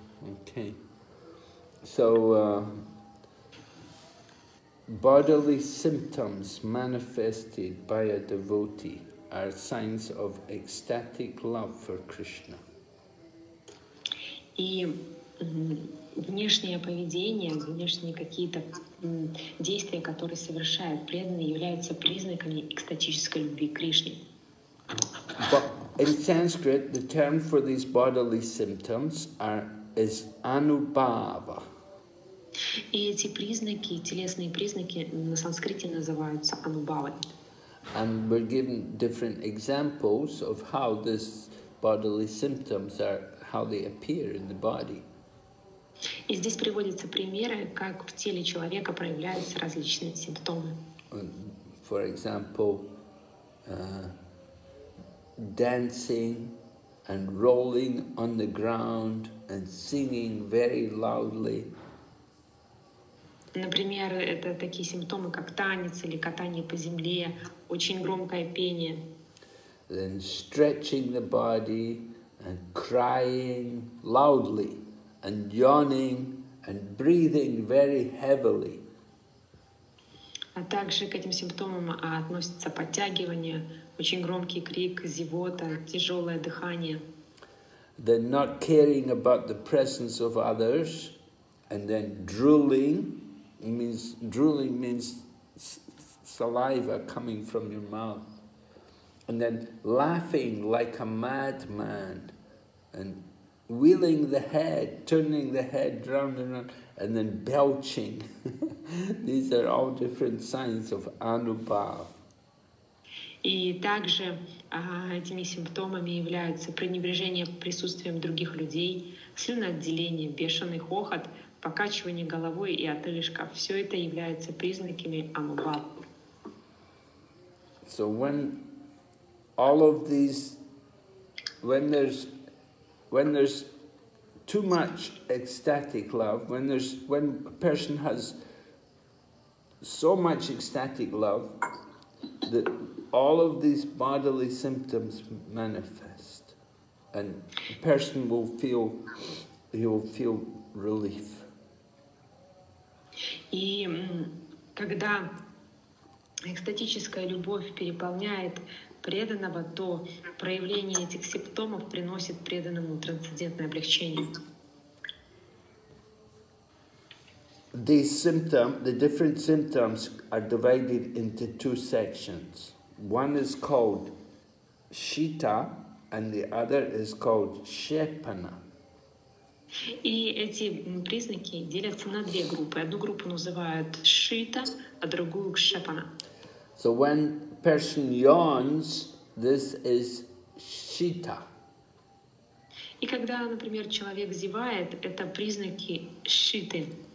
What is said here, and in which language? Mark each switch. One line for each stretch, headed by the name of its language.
English: Okay. So, bodily symptoms manifested by a devotee are signs of ecstatic love for Krishna.
Russian: И внешнее поведение, внешние какие-то действия, которые совершают преданные, являются признаками экстатической любви к Кришне.
English: But in Sanskrit, the term for these bodily symptoms is anubhava.
Russian: И эти признаки, телесные признаки, на санскрите называются анубавой.
English: And we're given different examples of how these bodily symptoms are, how they appear in the body.
Russian: И здесь приводятся примеры, как в теле человека проявляются различные симптомы.
English: For example, dancing and rolling on the ground and singing very loudly.
Russian: Например, это такие симптомы, как танец или катание по земле, очень громкое пение.
English: Then stretching the body and crying loudly and yawning and breathing very heavily.
Russian: А также к этим симптомам относятся подтягивание, очень громкий крик, зевота, тяжелое дыхание.
English: Then not caring about the presence of others and then drooling. Drooling means saliva coming from your mouth, and then laughing like a madman, and wheeling the head, turning the head round and round, and then belching. These are all different signs of anubhava.
Russian: И также этими симптомами являются пренебрежение присутствием других людей, слюноотделение, бешеный хохот, покачивание головой и отрыжка – все это является признаками анубавы.
English: So when all of these, when there's too much ecstatic love, when a person has so much ecstatic love, that all of these bodily symptoms manifest. And a person will feel, he will feel relief.
Russian: И когда экстатическая любовь переполняет преданного, то проявление этих симптомов приносит преданному трансцендентное облегчение.
English: These symptoms, the different symptoms are divided into two sections. One is called shita, and the other is called shepana.
Russian: И эти признаки делятся на две группы. Одну группу называют шита, а другую шепана.
English: So when person yawns, this is shita.
Russian: И когда, например, человек зевает, это признаки шиты.